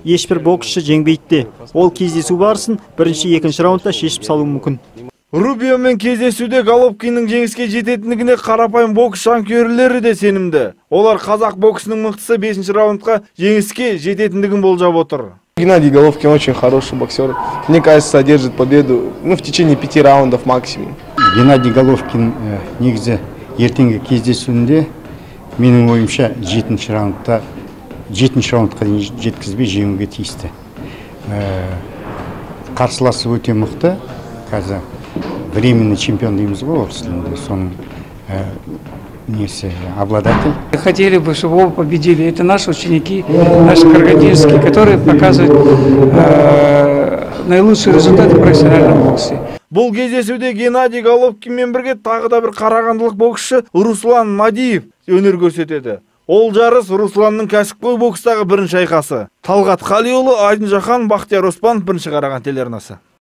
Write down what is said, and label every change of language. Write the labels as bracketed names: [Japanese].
[Kazakh] Ешбір боксшы жеңбейді де. Ол кездесу барысын 1-2 раундта шешіп салуы мүмкін. Рубиомен кездесуде Головкиннің жеңіске жететіндігіне қарапайым бокс жанкүйерлері де сенімді. Олар қазақ боксының мықтысы 5-ші раундқа жеңіске жететіндігін болжап отыр. [Russian] Геннадий Головкин очень хороший боксер. Мне кажется, одержит победу в течение 5 раундов максимум. [Kazakh] Геннадий Головкин негізі ертеңгі кездесуінде менің ойымша 7-ші раундқа дейін жеткізбей жеңуге тиісті. Қарсыласы өте мықты. Қазір [Russian] временный чемпион [Kazakh] дейміз ғой орыс тілінде. [Russian] Несе обладатель. Хотели бы, чтобы оба победили. Это наши ученики, наши каргандинские, которые показывают наилучший результат в профессиональном боксе. [Kazakh] Бұл кездесуде Геннадий Головкинмен бірге тағы да бір қарағандылық боксшы Руслан Мадиев өнер көрсетеді. Ол жарыс Русланның кәсіпқой бокстағы бірінші айқасы. Талғат Қалиұлы, Айдын Жахан, Бақтияр Оспан, бірінші қараған телернасы.